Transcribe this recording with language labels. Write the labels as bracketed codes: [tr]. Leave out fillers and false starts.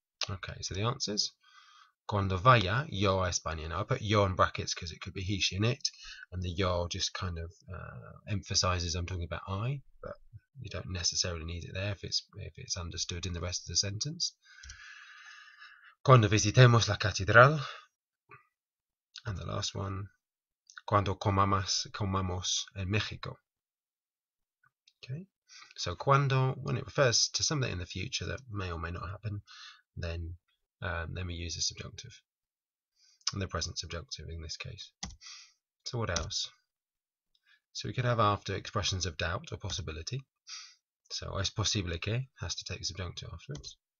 [en] Okay, so the answers. [es] Cuando vaya yo a España. [en] Now I put yo in brackets because it could be he, she, and it. And the yo just kind of emphasizes I'm talking about I, but you don't necessarily need it there if it's understood in the rest of the sentence. [es] Cuando visitemos la catedral. [en] And the last one. [es] Cuando comamos en México. [en] Okay. So cuando, when it refers to something in the future that may or may not happen, then we use the subjunctive and the present subjunctive in this case. So what else? So we could have after expressions of doubt or possibility. So [es] es posible que [en] has to take subjunctive afterwards.